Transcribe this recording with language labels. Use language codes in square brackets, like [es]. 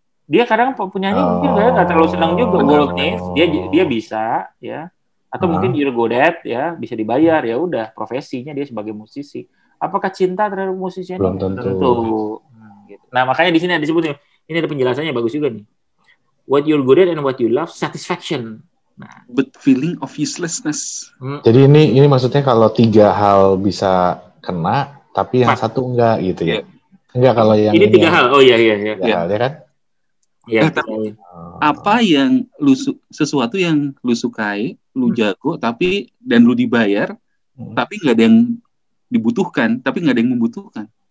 [id] Dia kadang penyanyi juga enggak terlalu senang juga worldnya. Dia bisa ya. Atau mungkin [en] you're good at [id] ya, bisa dibayar ya udah profesinya dia sebagai musisi. Apakah cinta terhadap musisi belum tentu. Nah, makanya di sini ada disebut ini ada penjelasannya bagus juga nih. [en] What you're good at and what you love, satisfaction. Nah. But feeling of uselessness. [id] Jadi ini maksudnya kalau tiga hal bisa kena, tapi yang satu enggak gitu ya. Yeah. Enggak kalau yang ini tiga hal. Oh iya. Iya kan? Iya. Apa yang sesuatu yang lu sukai, lu jago tapi dan lu dibayar, tapi enggak ada yang dibutuhkan, tapi enggak ada yang membutuhkan.